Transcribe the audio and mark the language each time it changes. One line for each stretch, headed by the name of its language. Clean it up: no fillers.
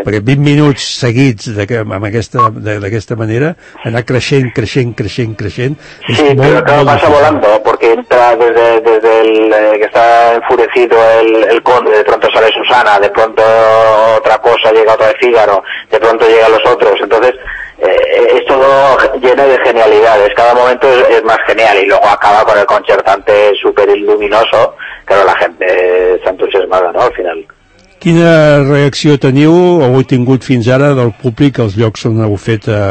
Catalan: Perquè 20 minuts seguits d'aquesta manera, anar creixent, és molt... Sí, però passa
Spanish: volando, porque entra desde el que está enfurecido el conde, de pronto sale Susana, de pronto otra cosa, llega otra de Fígaro, de pronto llegan los otros, entonces es todo lleno de genialidades, cada momento es más genial, y luego acaba con el concertante súper luminoso, claro, la gente se entusiasma, ¿no?, al final.
Catalan: Quina reacció teniu o heu tingut fins ara del públic als llocs on heu fet?